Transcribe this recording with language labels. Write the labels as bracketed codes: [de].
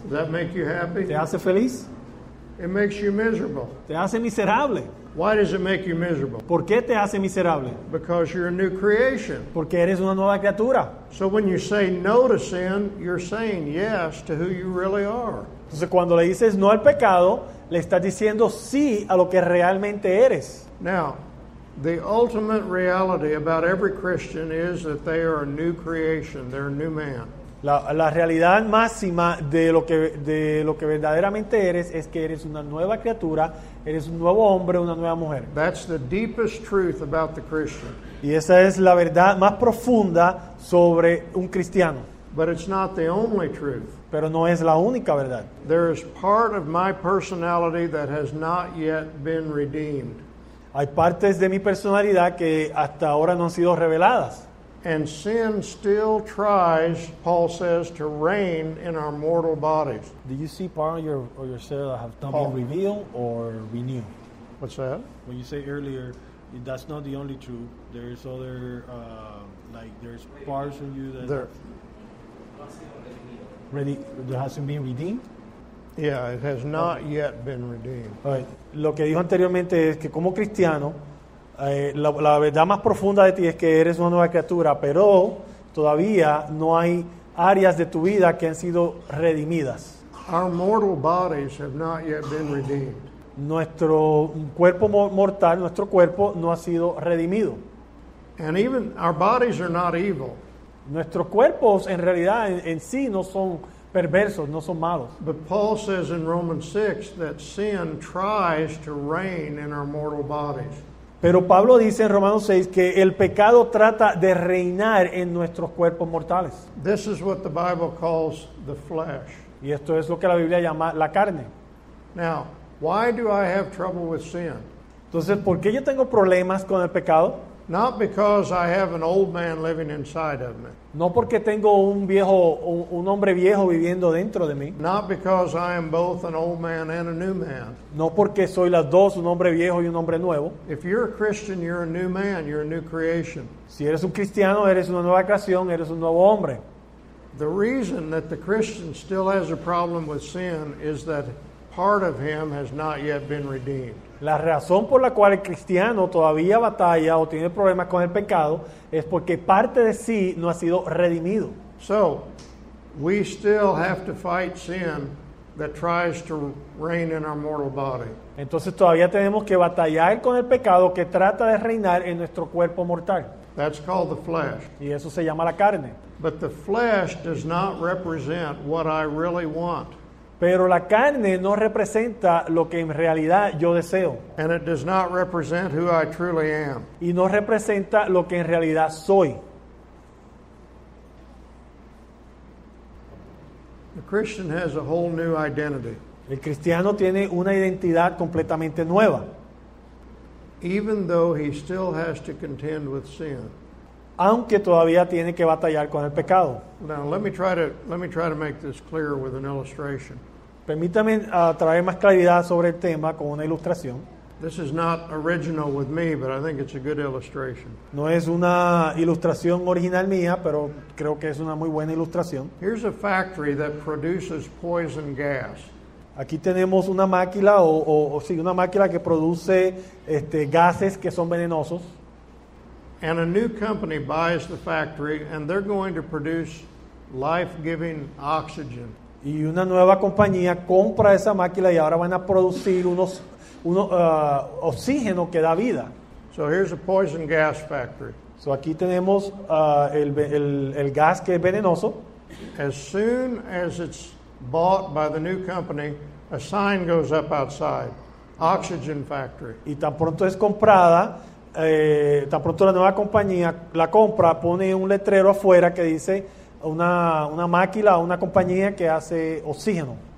[en] Does that make you happy? [es] ¿Te hace feliz? [en] It makes you miserable. [es] ¿Te hace miserable? [en] Why does it make you miserable? [es] ¿Por qué te hace miserable? [en] Because you're a new creation. [es] Porque eres una nueva criatura. [en] So when you say no to sin, you're saying yes to who you really are. [es] Entonces cuando le dices no al pecado, le estás diciendo sí a lo que realmente eres. [en] Now, the ultimate reality about every Christian is that they are a new creation. They're a new man. [es] La realidad máxima de lo que verdaderamente eres es que eres una nueva criatura, eres un nuevo hombre, una nueva mujer. [en] That's the deepest truth about the Christian. [es] Y esa es la verdad más profunda sobre un cristiano. [en] But it's not the only truth. [es] Pero no es la única verdad. [en] There is part of my personality that has not yet been redeemed. [es] Hay partes de mi personalidad que hasta ahora no han sido reveladas. [en] And sin still tries, Paul says, to reign in our mortal bodies. Do you see part of your cell have not been revealed or renewed? What's that? When you say earlier, that's not the only truth. There's other, like, there's parts of you that... That hasn't been redeemed? Yeah, it has not yet been redeemed. All right. [es] Lo que dijo anteriormente es que como cristiano... La verdad más profunda de ti es que eres una nueva criatura, pero todavía no hay áreas de tu vida que han sido redimidas. [en] Our mortal bodies have not yet been redeemed. [es] Nuestro cuerpo mortal, nuestro cuerpo no ha sido redimido. [en] And even our bodies are not evil. [es] Nuestros cuerpos en realidad en sí no son perversos, no son malos. [en] But Paul says in Romans 6 that sin tries to reign in our mortal bodies. [es] Pero Pablo dice en Romanos 6 que el pecado trata de reinar en nuestros cuerpos mortales. [en] This is what the Bible calls the flesh. [es] Y esto es lo que la Biblia llama la carne. [en] Now, why do I have trouble with sin? [es] Entonces, ¿por qué yo tengo problemas con el pecado? [en] Not because I have an old man living inside of me. [es] No porque tengo un hombre viejo viviendo dentro de mí. [en] Not because I am both an old man and a new man. [es] No porque soy las dos, un hombre viejo y un hombre nuevo. [en] If you're a Christian, you're a new man, you're a new creation. [es] Si eres un cristiano, eres una nueva creación, eres un nuevo hombre. [en] The reason that the Christian still has a problem with sin is that part of him has not yet been redeemed. [es] La razón por la cual el cristiano todavía batalla o tiene problemas con el pecado es porque parte de sí no ha sido redimido. [en] So, we still have to fight sin that tries to reign in our mortal body. [es] Entonces todavía tenemos que batallar con el pecado que trata de reinar en nuestro cuerpo mortal. [en] That's called the flesh. [es] Y eso se llama la carne. [en] But the flesh does not represent what I really want. [es] Pero la carne no representa lo que en realidad yo deseo. [en] And it does not represent who I truly am. [es] Y no representa lo que en realidad soy. [en] The Christian has a whole new identity. [es] El cristiano tiene una identidad completamente nueva. [en] Even though he still has to contend with sin. [es] Aunque todavía tiene que batallar con el pecado. [en] Now let me try to make this clear with an illustration. [es] Permítame traer más claridad sobre el tema con una ilustración. [en] This is not original with me, but I think it's a good illustration. [es] No es una ilustración original mía, pero creo que es una muy buena ilustración. [en] Here's a factory that produces poison gas. [es] Aquí tenemos una máquina una máquina que produce gases que son venenosos. [en] And a new company buys the factory and they're going to produce life-giving oxygen. [es] Y una nueva compañía compra esa máquina y ahora van a producir unos oxígeno que da vida. [en] So here's a poison gas factory. [es] So aquí tenemos el gas que es venenoso. [en] As soon as it's bought by the new company, a sign goes up outside. Oxygen factory. [es] Y tan pronto es comprada, tan pronto la nueva compañía la compra, pone un letrero afuera que dice... una máquina, una compañía que hace oxígeno.